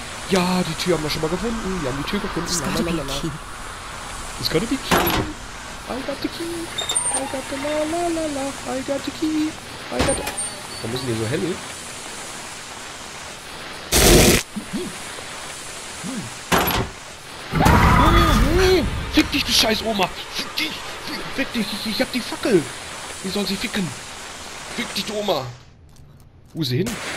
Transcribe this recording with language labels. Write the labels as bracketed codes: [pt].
[de] Ja, die Tür haben wir schon mal gefunden. Wir haben die Tür gefunden. [en] It's gotta be key. I got the key, I got the la la la la, I got the key, I got the... [de] Warum ist denn hier so hell? Fick dich, du scheiß Oma! Fick dich, ich hab die Fackel! Wie soll sie ficken? Fick dich, du Oma! Wo ist sie hin?